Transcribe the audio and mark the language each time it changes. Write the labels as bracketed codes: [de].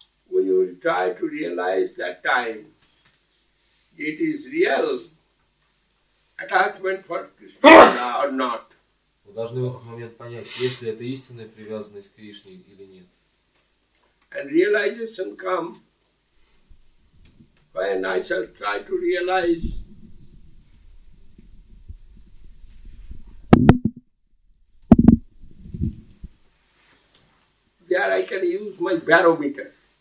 [en] We will try to realize that time. It is real. Attachment for Krishna or not. [ru] Мы должны в этот момент понять, есть ли это истинная привязанность к Кришне или нет. [en] And realization come when I shall try to realize there I can use my barometer.